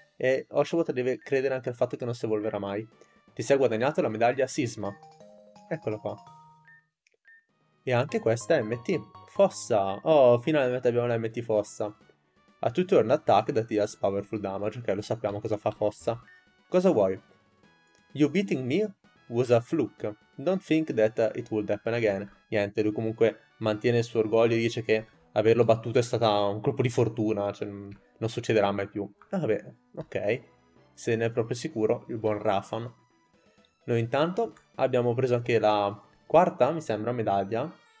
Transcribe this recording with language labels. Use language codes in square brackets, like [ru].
[it] E Oshawott deve credere anche al fatto che non si evolverà mai. Ti sei guadagnato la medaglia Sisma. Eccolo qua. E anche questa è MT Fossa. Oh, finalmente abbiamo la MT Fossa. A tutto [en] turn attack that deals powerful damage. [it] Ok, lo sappiamo cosa fa Fossa. Cosa vuoi? [en] You beating me was a fluke. Don't think that it would happen again. [it] Niente, lui comunque mantiene il suo orgoglio e dice che averlo battuto è stato un colpo di fortuna, cioè non succederà mai più. Vabbè, ok. Se ne è proprio sicuro, il buon Rafan. Noi intanto abbiamo preso anche la quarta, mi sembra, medaglia.